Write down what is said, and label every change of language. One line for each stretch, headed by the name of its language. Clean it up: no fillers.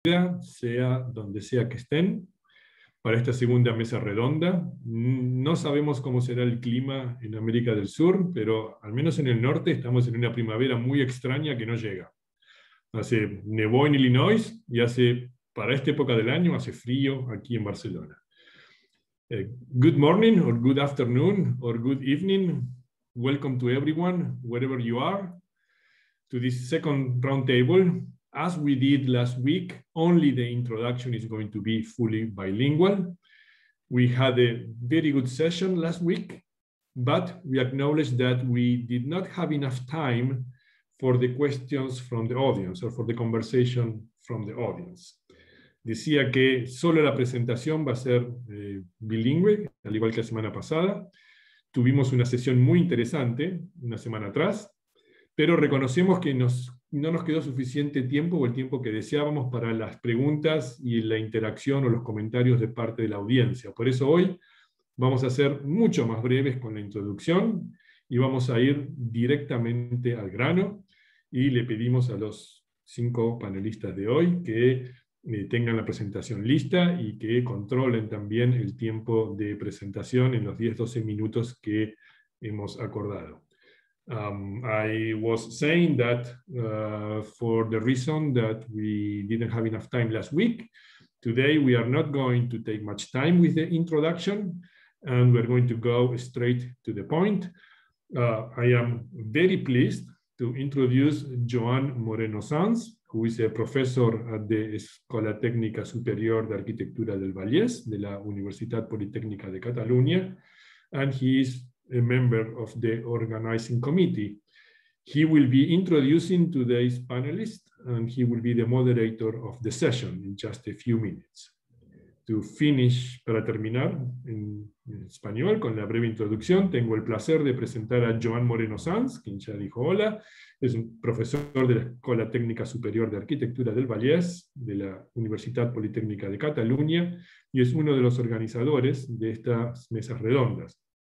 Spanish: sea donde sea que estén, para esta segunda mesa redonda. No sabemos cómo será el clima en América del Sur, pero al menos en el norte estamos en una primavera muy extraña que no llega. Hace nevó en Illinois y hace, para esta época del año, hace frío aquí en Barcelona.
English: Good morning, or good afternoon, or good evening. Welcome to everyone, wherever you are, to this second round table. As we did last week, only the introduction is going to be fully bilingual. We had a very good session last week, but we acknowledge that we did not have enough time for the questions from the audience or for the conversation from the audience.
Spanish: Decía que solo la presentación va a ser bilingüe, al igual que la semana pasada. Tuvimos una sesión muy interesante una semana atrás, pero reconocemos que no nos quedó suficiente tiempo o el tiempo que deseábamos para las preguntas y la interacción o los comentarios de parte de la audiencia. Por eso hoy vamos a ser mucho más breves con la introducción y vamos a ir directamente al grano. Y le pedimos a los cinco panelistas de hoy que tengan la presentación lista y que controlen también el tiempo de presentación en los 10-12 minutos que hemos acordado.
English: I was saying that for the reason that we didn't have enough time last week, today we are not going to take much time with the introduction and we're going to go straight to the point. I am very pleased to introduce Joan Moreno-Sanz, who is a professor at the Escola Tècnica Superior d'Arquitectura del Vallès, de la Universitat Politècnica de Catalunya, and he is a member of the organizing committee. He will be introducing today's panelists and he will be the moderator of the session in just a few minutes. To finish,
Spanish: para terminar en español con la breve introducción, tengo el placer de presentar a Joan Moreno-Sanz, quien ya dijo hola. Es un profesor de la Escola Tècnica Superior de Arquitectura del Vallès, de la Universitat Politécnica de Cataluña, y es uno de los organizadores de estas mesas redondas.